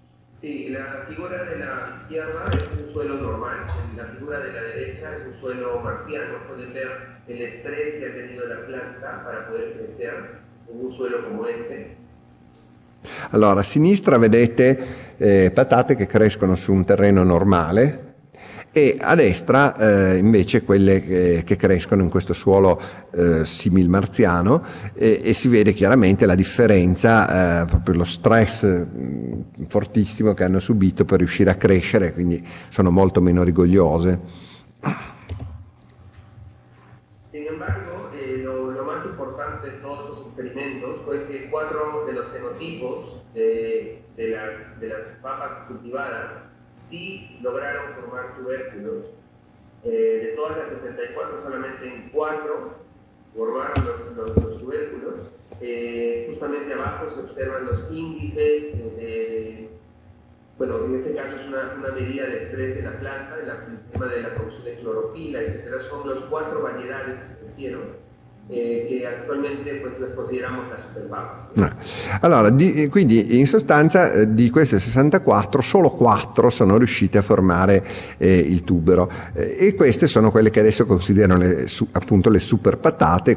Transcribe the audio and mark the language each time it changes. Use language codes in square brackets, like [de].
[es] Sí, la figura de la izquierda es un suelo normal, la figura de la derecha es un suelo marciano. Pueden ver el estrés que ha tenido la planta para poder crecer en un suelo como este. Allora, a sinistra vedete patate que crescono su un terreno normale, e a destra invece quelle che crescono in questo suolo simil marziano, e si vede chiaramente la differenza, proprio lo stress fortissimo che hanno subito per riuscire a crescere, quindi sono molto meno rigogliose. Sin embargo, lo más importante de todos los experimentos fue que cuatro de los fenotipos de las papas cultivadas sí lograron formar tubérculos, De todas las 64, solamente en 4 borraron los tubérculos. Justamente abajo se observan los índices de bueno, en este caso es una medida de estrés de la planta, el tema de la producción de clorofila, etcétera. Son los 4 variedades que crecieron. [it] Che attualmente pues, le consideriamo la superbaba. Sì. Allora, quindi in sostanza di queste 64, solo 4 sono riuscite a formare il tubero e queste sono quelle che adesso considerano appunto le super patate.